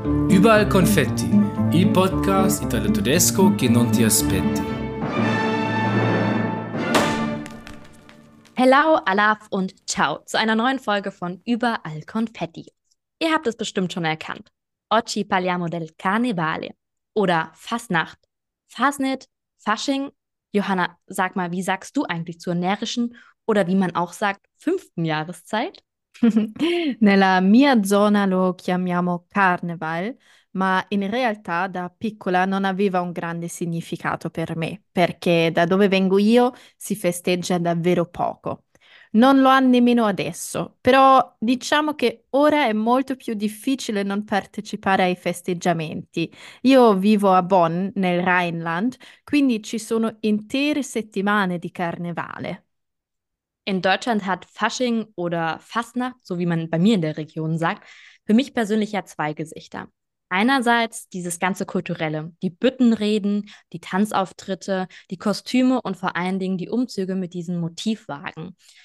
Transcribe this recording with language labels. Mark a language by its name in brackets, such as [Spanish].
[Italian] Überall Konfetti, il Podcast Italo-Tedesco che non ti aspetti. [German] Hello, Alaf und ciao zu einer neuen Folge von Überall Konfetti. Ihr habt es bestimmt schon erkannt. [Italian] Oggi parliamo del Carnevale [German] oder Fasnacht. Fasnet, Fasching. Johanna, sag mal, wie sagst du eigentlich zur närrischen oder wie man auch sagt, fünften Jahreszeit? [Italian] Nella mia zona lo chiamiamo Carneval, ma in realtà da piccola non aveva un grande significato per me, perché da dove vengo io si festeggia davvero poco. Non lo ha nemmeno adesso, però diciamo che ora è molto più difficile non partecipare ai festeggiamenti. Io vivo a Bonn, nel Rheinland, quindi ci sono intere settimane di carnevale. [German] In Deutschland hat Fasching oder Fastnacht, so wie man bei mir in der Region sagt, für mich persönlich ja zwei Gesichter. Einerseits dieses ganze Kulturelle, die Büttenreden, die Tanzauftritte, die Kostüme und vor allen Dingen die Umzüge mit diesen Motivwagen.